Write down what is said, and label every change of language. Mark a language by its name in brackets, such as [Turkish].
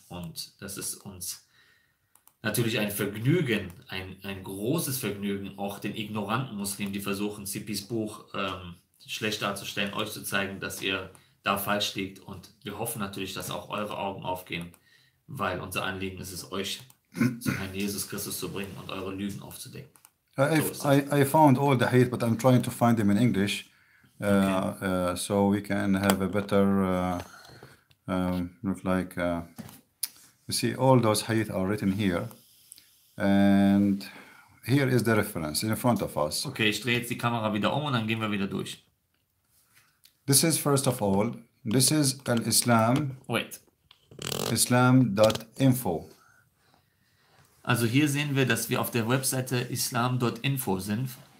[German] Und das ist uns natürlich ein Vergnügen, ein großes Vergnügen, auch den ignoranten Muslimen, die versuchen, Sipis Buch schlecht darzustellen, euch zu zeigen, dass ihr da falsch liegt. Und wir hoffen natürlich, dass auch eure Augen aufgehen, weil unser Anliegen ist es, euch zu Herrn Jesus Christus zu bringen und eure Lügen aufzudecken. [English] I found all the hate, but I'm trying to find them in English, so we can have a better, you see, all those hate are written here, and here is the reference in front of us. [German] Okay, ich drehe jetzt die Kamera wieder um und dann gehen wir wieder durch. [English] This is first of all, this is al-Islam. Wait. Islam.info. [German] Also hier sehen wir, dass wir auf der Webseite islam.info sind.